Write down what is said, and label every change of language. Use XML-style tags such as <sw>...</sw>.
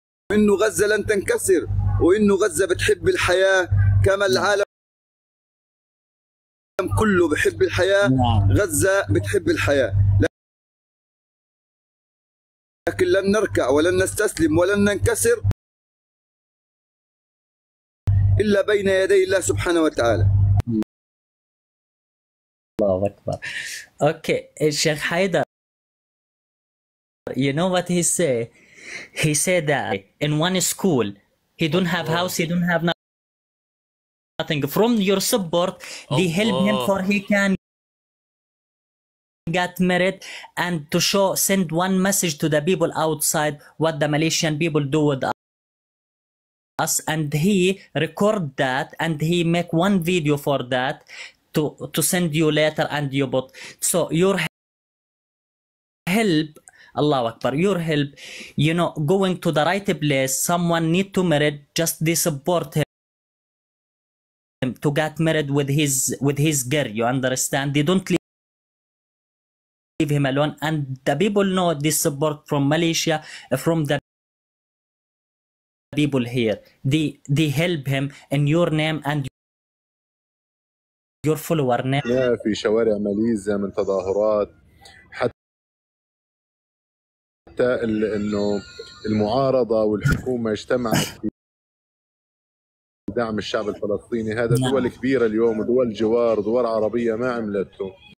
<ar>وإنه غزة لن تنكسر وإنه غزة بتحب الحياة كما العالم كله بحب الحياة غزة بتحب الحياة لكن لن نركع ولن نستسلم ولن ننكسر إلا بين يدي الله سبحانه وتعالى. الله أكبر.</ar> <en>Okay الشيخ حيدر you know what he say, he said that in one school he don't have house, he don't have nothing. From your support, they help him for he can get married and to show, send one message to the people outside what the Malaysian people do with us. And he record that and he make one video for that to send you later and you bot. So your help, Allahu Akbar, your help, you know, going to the right place, someone need to married, just they support him to get married with his girl, you understand? They don't leave him alone. And the people know this support from Malaysia, from the people here. They help him in your name and your follower name.</en> <ar>Yeah, في شوارع ماليزيا من تظاهرات حتى إنه المعارضة والحكومة اجتمعت دعم الشعب الفلسطيني هذا نعم. دول كبيرة اليوم ودول جوار ودول عربية ما عملته</ar>